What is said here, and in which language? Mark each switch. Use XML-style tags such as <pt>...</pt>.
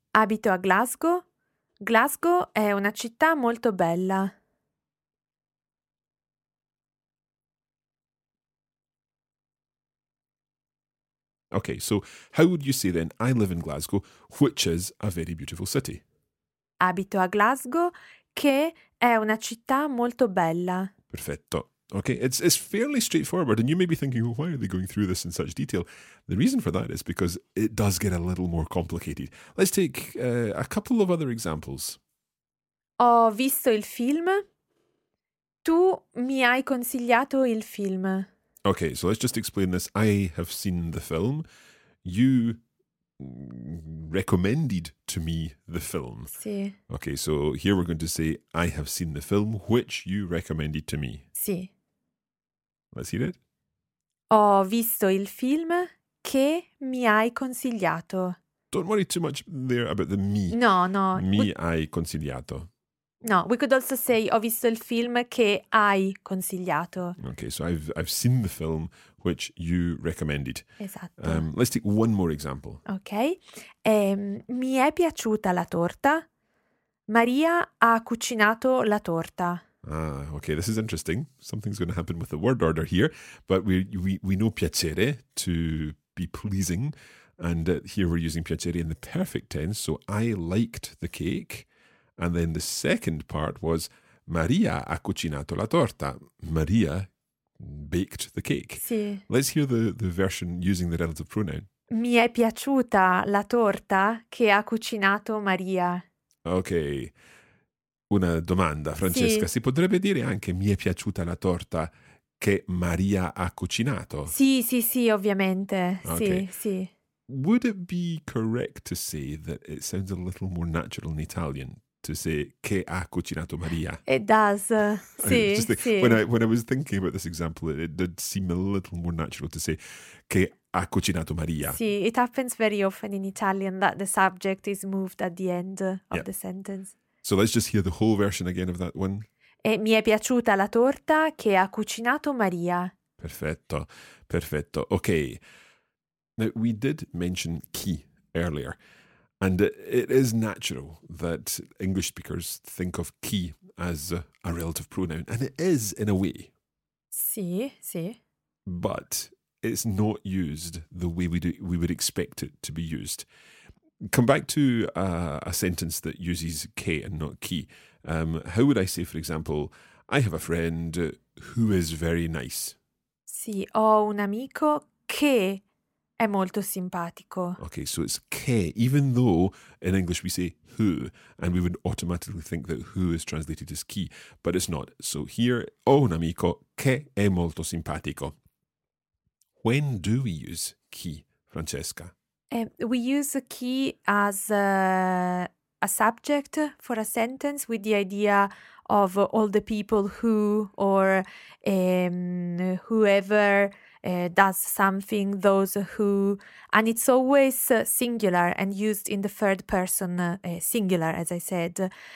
<it>Abito a Glasgow. Glasgow è una città molto bella.</it> <en>Okay, so how would you say then, I live in Glasgow, which is a very beautiful city?</en> <it>Abito a Glasgow. Che è una città molto bella. Perfetto.</it> <en>Okay, it's fairly straightforward, and you may be thinking, well, why are they going through this in such detail? The reason for that is because it does get a little more complicated. Let's take a couple of other examples.</en> <it>Ho visto il film. Tu mi hai consigliato il film.</it> <en>Okay, so let's just explain this. I have seen the film. You recommended to me the film.</en> <it>Sì.</it> <en>Okay, so here we're going to say, I have seen the film which you recommended to me.</en> <it>Sì.</it> <en>Let's hear it.</en> <it>Ho visto il film che mi hai consigliato.</it> <en>Don't worry too much there about the me. No, no.</en> <it>Mi hai consigliato.</it> <en>No, we could also say,</en> <it>ho visto il film che hai consigliato.</it> <en>Okay, so I've seen the film which you recommended.</en> <it>Esatto.</it> <en>Let's take one more example.</en> <it>Okay. Mi è piaciuta la torta. Maria ha cucinato la torta.</it> <en>Ah, okay, this is interesting. Something's going to happen with the word order here. But we know piacere, to be pleasing. And here we're using piacere in the perfect tense. So I liked the cake. And then the second part was,</en> <it>Maria ha cucinato la torta.</it> <en>Maria baked the cake. Sì. Let's hear the version using the relative pronoun.</en> <it>Mi è piaciuta la torta che ha cucinato Maria. Ok. Una domanda, Francesca. Sì. Si potrebbe dire anche, mi è piaciuta la torta che Maria ha cucinato? Sì, sì, sì, ovviamente.</it> <en>Okay.</en> <it>Sì, sì.</it> <en>Would it be correct to say that it sounds a little more natural in Italian?</en> <it>To say, che ha cucinato Maria.</it> <en>It does, sì, just think, sì. When I was thinking about this example, it did seem a little more natural to say,</en> <it>che ha cucinato Maria.</it> <en>Sì, it happens very often in Italian that the subject is moved at the end of the sentence. So let's just hear the whole version again of that one.</en> <it>E mi è piaciuta la torta che ha cucinato Maria. Perfetto, perfetto. Okay.</it> <en>Now, we did mention chi earlier. And it is natural that English speakers think of chi as a relative pronoun. And it is, in a way. Sì, sì. But it's not used the way we would expect it to be used. Come back to a sentence that uses che and not chi. How would I say, for example, I have a friend who is very nice?</en> <it>Sì. Sì, ho un amico che è molto simpatico.</it> <en>Okay, so it's che, even though in English we say who, and we would automatically think that who is translated as chi, but it's not. So here,</en> <it>ho un amico che è molto simpatico.</it> <en>When do we use chi, Francesca? We use chi as a subject for a sentence with the idea of all the people who or whoever does something, those who, and it's always singular and used in the third person singular, as I said.</en>